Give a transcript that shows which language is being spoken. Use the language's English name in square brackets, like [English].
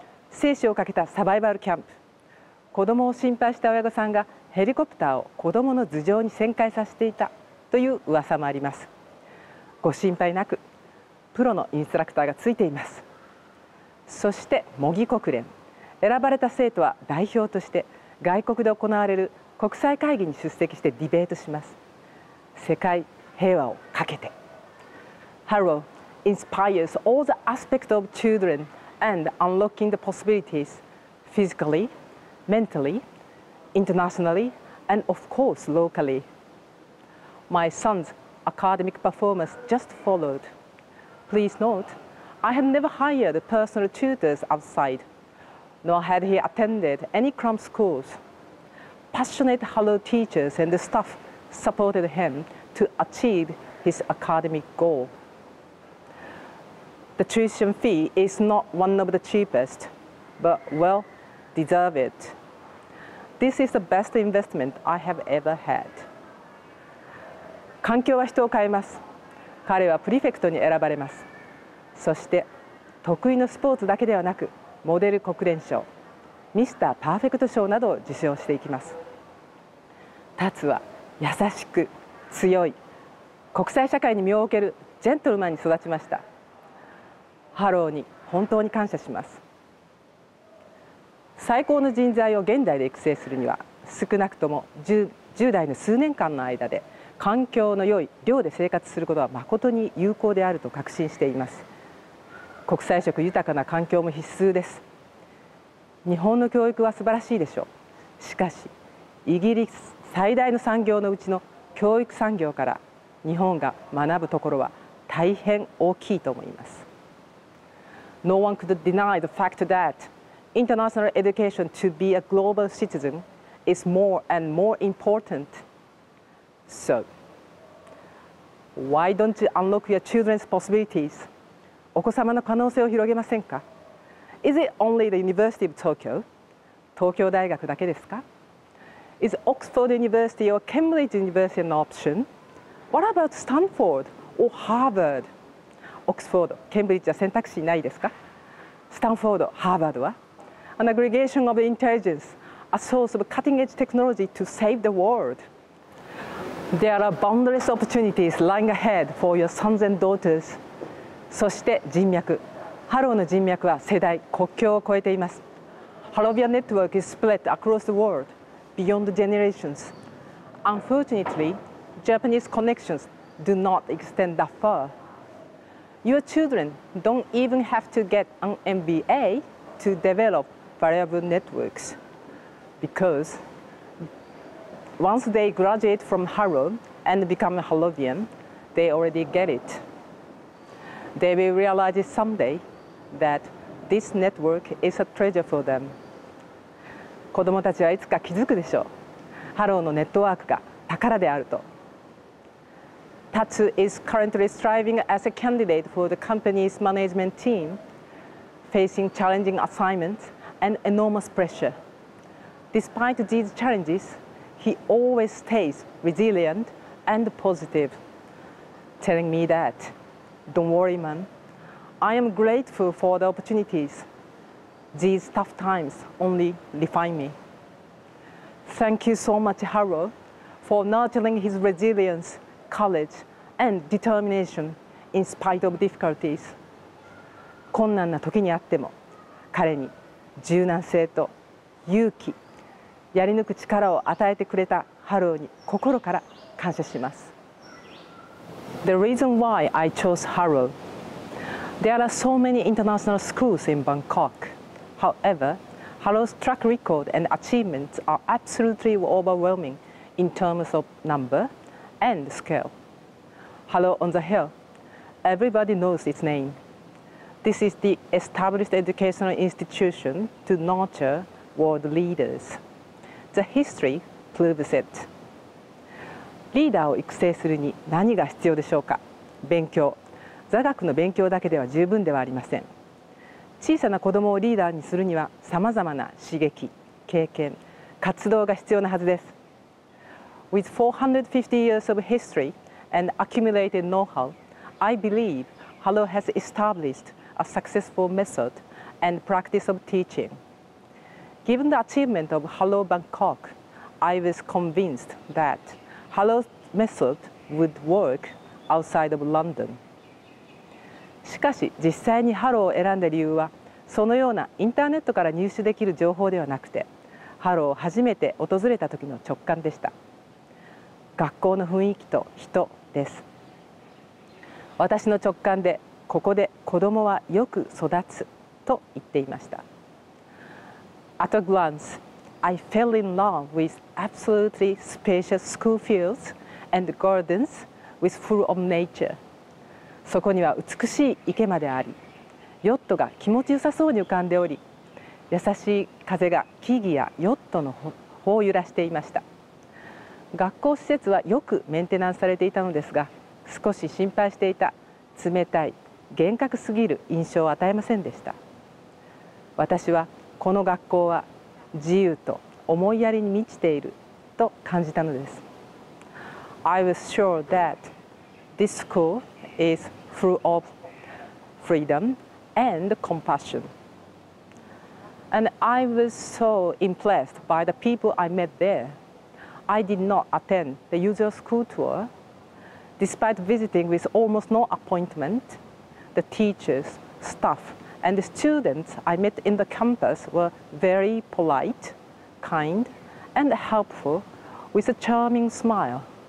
[Japanese] 生死をかけたサバイバルキャンプ、子供を心配した親御さんがヘリコプターを子供の頭上に旋回させていたという噂もあります。ご心配なく、プロのインストラクターがついています。そして模擬国連、選ばれた生徒は代表として外国で行われる国際会議に出席してディベートします。世界平和をかけて。 [English] Harrow inspires all the aspects of children and unlocking the possibilities physically, mentally, internationally, and of course locally. My son's academic performance just followed. Please note, I have never hired personal tutors outside, nor had he attended any cram schools. Passionate Harrow teachers and the staffsupported him to achieve his academic goal. The tuition fee is not one of the cheapest, but well, deserve it. This is the best investment I have ever had. [Japanese] 環境は人を変えます。彼はプリフェクトに選ばれます。そして、得意のスポーツだけではなく、モデル国連賞、ミスターパーフェクト賞などを受賞していきます。タツは優しく強い国際社会に身を置けるジェントルマンに育ちました。ハローに本当に感謝します。最高の人材を現代で育成するには少なくとも 10代の数年間の間で環境の良い寮で生活することは誠に有効であると確信しています。国際色豊かな環境も必須です。日本の教育は素晴らしいでしょう。しかしイギリス最大の産業のうちの教育産業から日本が学ぶところは大変大きいと思います。 [English] No one could deny the fact that international education to be a global citizen is more and more important. So, why don't you unlock your children's possibilities? [Japanese] お子様の可能性を広げませんか? [English] Is it only the University of Tokyo? [Japanese] 東京大学だけですか? [English] Is Oxford University or Cambridge University an option? What about Stanford or Harvard? [Japanese] Oxford, Cambridge は選択肢ないですか? Stanford, Harvard は? [English] An aggregation of intelligence, a source of cutting-edge technology to save the world. There are boundless opportunities lying ahead for your sons and daughters. [Japanese] そして人脈。ハローの人脈は世代、国境を越えています。 [English] Harrovia network is spread across the world, beyond generations. Unfortunately, Japanese connections do not extend that far. Your children don't even have to get an MBA to develop valuable networks. Because once they graduate from Harrow and become a Harrovian, they already get it. They will realize it someday that this network is a treasure for them. [Japanese] 子どもたちはいつか気づくでしょう。ハローのネットワークが宝であると。 [English] Tatsu is currently striving as a candidate for the company's management team, facing challenging assignments and enormous pressure. Despite these challenges, he always stays resilient and positive, telling me that, "Don't worry, man. I am grateful for the opportunities. These tough times only refine me." Thank you so much, Harrow, for nurturing his resilience, courage,and determination in spite of difficulties. [Japanese] 困難な時にあっても彼に柔軟性と勇気、やり抜く力を与えてくれたハローに心から感謝します。 [English] The reason why I chose Harrow. There are so many international schools in Bangkok. However, Harrow's track record and achievements are absolutely overwhelming in terms of number and scaleHello on the Hill. Everybody knows its name. This is the established educational institution to nurture world leaders. The history proves it. [Japanese] リーダーを育成するに何が必要でしょうか？勉強。座学の勉強だけでは十分ではありません。小さな子供をリーダーにするには様々な刺激、経験、活動が必要なはずです。 [English] With 450 years of history,and accumulated know-how, I believe Harrow has established a successful method and practice of teaching. Given the achievement of Harrow Bangkok, I was convinced that Harrow's method would work outside of London. [Japanese] しかし、実際にハローを選んだ理由は、そのようなインターネットから入手できる情報ではなくて、ハローを初めて訪れた時の直感でした。学校の雰囲気と人、です。私の直感でここで子供はよく育つと言っていました。 [English] At a glance, I fell in love with absolutely spacious school fields and gardens with full of nature. [Japanese] そこには美しい池まであり、ヨットが気持ちよさそうに浮かんでおり、優しい風が木々やヨットの頬を揺らしていました。学校施設はよくメンテナンスされていたのですが、少し心配していた冷たい、厳格すぎる印象を与えませんでした。私はこの学校は自由と思いやりに満ちていると感じたのです。 [English] I was sure that this school is full of freedom and compassion. And I was so impressed by the people I met there. I did not attend the usual school tour. Despite visiting with almost no appointment, the teachers, staff, and the students I met in the campus were very polite, kind, and helpful with a charming smile.